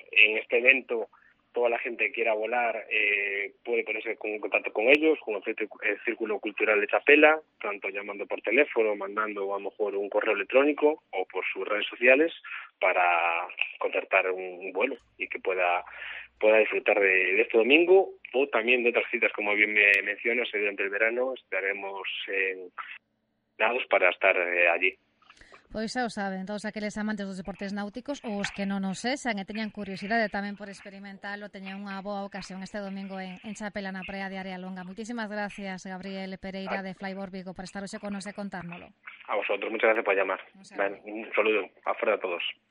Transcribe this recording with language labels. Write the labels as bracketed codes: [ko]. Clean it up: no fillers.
[es] En este evento, toda la gente que quiera volar puede ponerse en contacto con ellos, con el Círculo Cultural de Chapela, tanto llamando por teléfono, mandando a lo mejor un correo electrónico o por sus redes sociales para concertar un vuelo y que pueda disfrutar de este domingo, o también de otras citas, como bien me mencionas, durante el verano estaremos nados para estar allí. [gl] Pois xa o saben, todos aqueles amantes dos deportes náuticos ou os que non o sexan e teñan curiosidade tamén por experimentalo, teñan unha boa ocasión este domingo en Chapela, na praia de Área Longa. Moitísimas gracias, Gabriel Pereira, de Flyboard Vigo, por estar hoxe con nos e contárnolo. [es] A vosotros, [gl] moitas gracias [es] por llamar. Un saludo, a fora a todos.